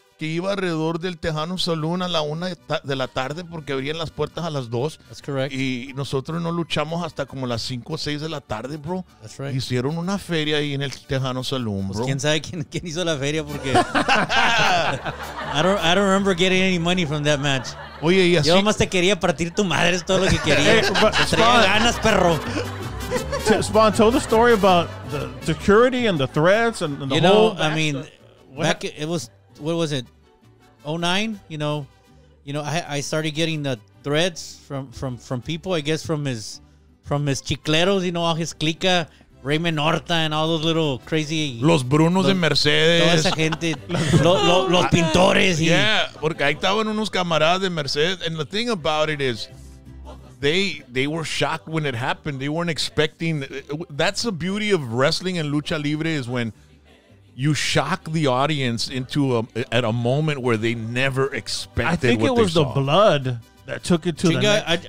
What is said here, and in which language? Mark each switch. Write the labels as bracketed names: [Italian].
[Spanish] que iba alrededor del Tejano Saloon a la 1 de la tarde porque abrían las puertas a las 2. [English] That's correct. [Spanish] Y nosotros no luchamos hasta como las 5 o 6 de la tarde, bro. [English] That's right. [Spanish] Hicieron una feria ahí en el Tejano Saloon, bro. Pues quién sabe quién hizo la feria porque... [English] I don't remember getting any money from that match. [Spanish] Oye, y así... Yo más te quería partir tu madre, es todo lo que quería. Hey, traía ganas, perro. [English] Spawn, tell the story about the security and the threats and the you whole... You know, I mean, back it was... What was it? 2009? You know, I started getting the threats from people, I guess from his chicleros, you know, all his clica, Raymond Horta and all those little crazy [Spanish] Los Brunos de Mercedes. Toda esa gente, los pintores. Yeah, porque ahí estaban unos camaradas de Mercedes. [English] And the thing about it is they were shocked when it happened. They weren't expecting. That's the beauty of wrestling and lucha libre is when you shock the audience at a moment where they never expected. I think what it was saw. The blood that took it to Chica, the next.